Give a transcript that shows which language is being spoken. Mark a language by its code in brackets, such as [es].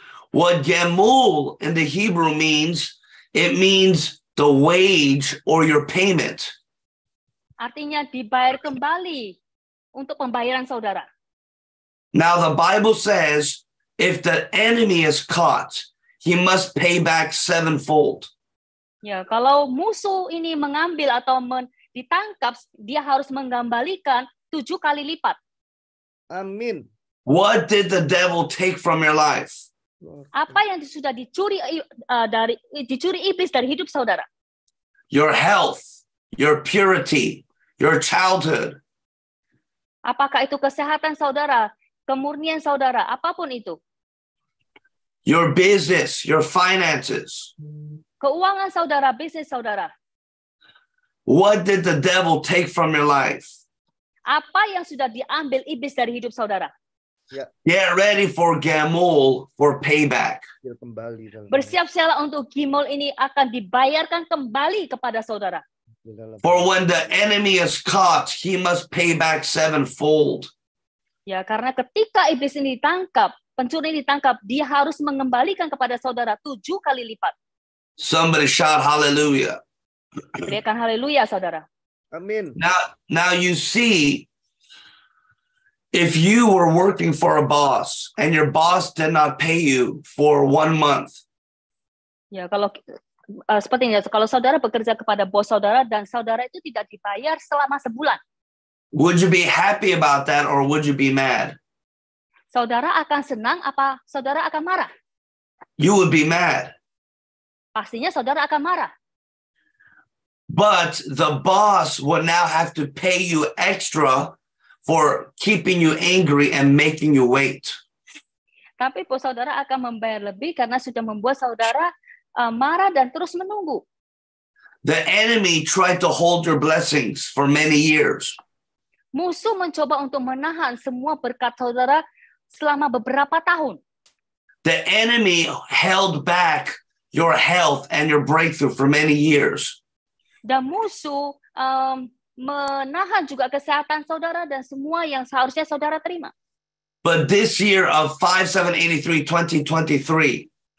[en] What gemul in the Hebrew means, it means the wage or your payment. [id] Artinya dibayar kembali untuk pembayaran saudara. [en] Now the Bible says, if the enemy is caught, he must pay back sevenfold. [id] Ya, kalau musuh ini mengambil atau ditangkap, dia harus mengembalikan 7 kali lipat. Amin. [en] What did the devil take from your life? [id] Apa yang sudah dicuri dicuri iblis dari hidup saudara? [en] Your health, your purity, your childhood. [id] Apakah itu kesehatan saudara, kemurnian saudara, apapun itu? [en] Your business, your finances. [id] Keuangan saudara, bisnis saudara. [en] What did the devil take from your life? [id] Apa yang sudah diambil iblis dari hidup saudara? [en] Get ready for gemul, for payback. [id] Bersiap-siaplah untuk gemul ini akan dibayarkan kembali kepada saudara. [en] For when the enemy is caught, he must pay back sevenfold. [id] Ya, karena ketika iblis ini ditangkap, pencuri ini ditangkap, dia harus mengembalikan kepada saudara 7 kali lipat. [en] Somebody shout hallelujah. [id] Teriakan hallelujah, saudara. Amin. [en] Now you see, If you were working for a boss and your boss did not pay you for 1 month. [id] Ya, kalau seperti ini, kalau saudara bekerja kepada bos saudara dan saudara itu tidak dibayar selama sebulan. [en] Would you be happy about that or would you be mad? [id] Saudara akan senang apa saudara akan marah? [en] You would be mad. [id] Pastinya saudara akan marah. [en] But the boss will now have to pay you extra for keeping you angry and making you wait. [id] Tapi bos saudara akan membayar lebih karena sudah membuat saudara marah dan terus menunggu. [en] The enemy tried to hold your blessings for many years. [id] Musuh mencoba untuk menahan semua berkat saudara selama beberapa tahun. [en] The enemy held back your health and your breakthrough for many years. [id] Dan musuh menahan juga kesehatan saudara dan semua yang seharusnya saudara terima. [en] But this year of 5783 2023.